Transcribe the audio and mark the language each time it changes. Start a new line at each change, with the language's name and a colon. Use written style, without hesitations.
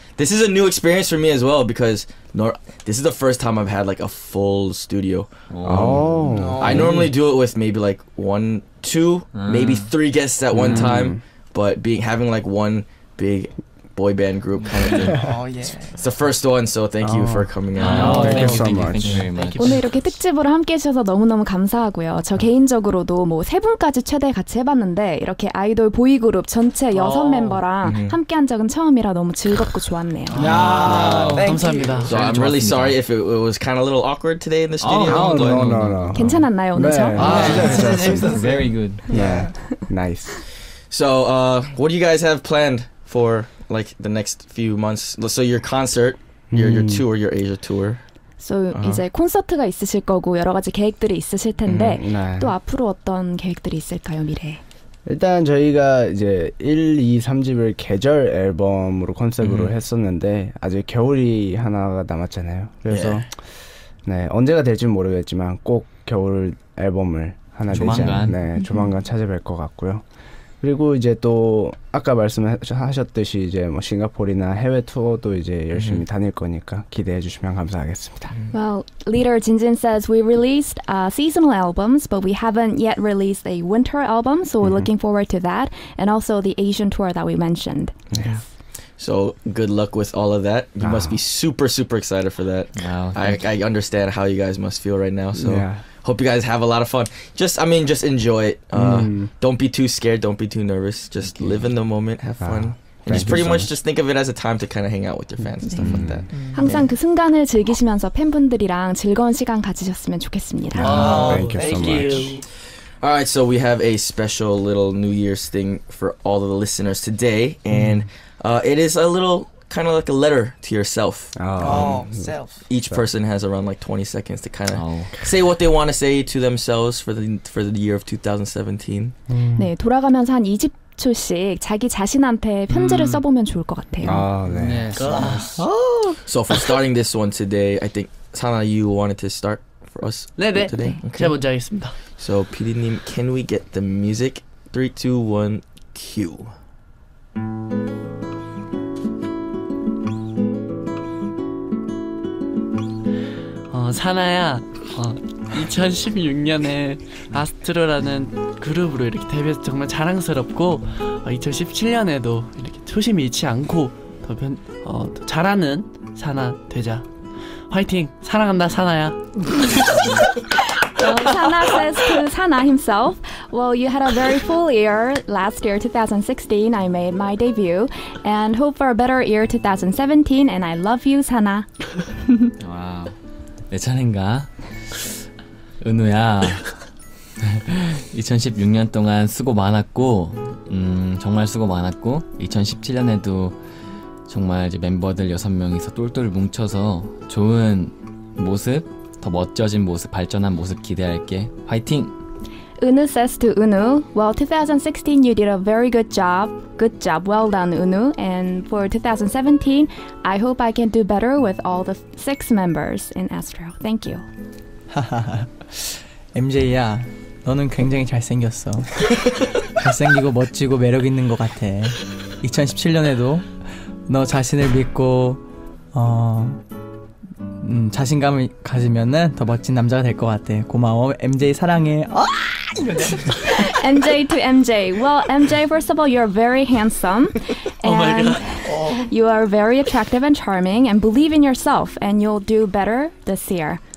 English: This is a new experience for me as well because this is the first time I've had like a full studio. I normally do it with maybe like two, maybe three guests at one time, but having like one big boy band group coming in. Oh, yeah. It's the first one, so thank you for coming in. Thank you so much.
Korean: 오늘 이렇게 특집으로 함께해 주셔서 너무너무 감사하고요. 저 개인적으로도 뭐 세 분까지 최대 같이 해봤는데 이렇게 아이돌 보이 그룹 전체 여섯 멤버랑 함께한 적은 처음이라 너무 즐겁고 좋았네요. 감사합니다.
English: So I'm really sorry if it was kind of a little awkward today in the studio. Oh, no.
Korean: 괜찮았나요, 오늘 저?
English: Very good. Yeah, nice. So, what do you guys have planned for like the next few months? So your concert, your tour, your Asia tour.
Korean: So 이제 콘서트가 있으실 거고 여러 가지 계획들이 있으실 텐데 또 앞으로 어떤 계획들이 있을까요, 미래? 일단 저희가 이제 1, 2, 3집을 계절 앨범으로 컨셉으로 했었는데 아직 겨울이 하나가 남았잖아요. 그래서 네 언제가 될지는 모르겠지만 꼭 겨울 앨범을 하나 조만간 내지 않, 네 조만간 찾아뵐 것 같고요. 그리고 이제 또 아까 말씀하셨듯이 이제 뭐 싱가포르나 해외 투어도 이제 열심히 다닐 거니까 기대해 주시면 감사하겠습니다.
English: Well, leader Jinjin says we released seasonal albums, but we haven't yet released a winter album, so we're looking forward to that, and also the Asian tour that we mentioned. Yeah. So good luck with all of that. You must be super, super excited for that. I understand how you guys must feel right now. So hope you guys have a lot of fun. Just enjoy it. Don't be too scared. Don't be too nervous. Just live in the moment. Have fun. And just pretty much just think of it as a time to kind of hang out with your fans and stuff like that.
Korean: 항상 그 순간을 즐기시면서 팬분들이랑 즐거운 시간 가지셨으면 좋겠습니다.
English: Thank you so much. All right, so we have a special little New Year's thing for all of the listeners today, and it is a little kind of like a letter to yourself. Self. Each person has around like 20 seconds to kind of say what they want to say to themselves for the year of 2017.
Korean: 네, 돌아가면서 한 20초씩 자기 자신한테 편지를 써보면 좋을 것 같아요. 아, 네.
English: So for starting this one today, I think Sana, you wanted to start. So, PD님, can we get the music? 3, 2, 1, cue.
Korean: Sana야, 2016년에 아스트로라는 그룹으로 이렇게 데뷔해서 정말 자랑스럽고 2017년에도 이렇게 초심 잃지 않고 더 잘하는 Sana 되자. 화이팅! 사랑한다, 사나야!
English: Sana says to Sana himself, well, you had a very full year last year, 2016, I made my debut, and hope for a better year, 2017, and I love you, Sana.
Korean: Wow. 내 차례인가? 은우야, 2016년 동안 수고 많았고, 정말 수고 많았고, 2017년에도 정말 이제 멤버들 6명이서 똘똘 뭉쳐서 좋은 모습, 더 멋져진 모습, 발전한 모습 기대할게. 화이팅!
English: 은우 says to 은우, Well, 2016 you did a very good job. Good job. Well done, 은우. And for 2017, I hope I can do better with all the 6 members in ASTRO. Thank you.
Korean: MJ야, 너는 굉장히 잘생겼어. 잘생기고 멋지고 매력 있는 것 같아. 2017년에도 너 자신을 믿고 자신감을 가지면은 더 멋진 남자가 될 것 같아. 고마워, MJ 사랑해.
English: MJ to MJ. Well, MJ, first of all, you're very handsome, and you are very attractive and charming, and believe in yourself, and you'll do better this year.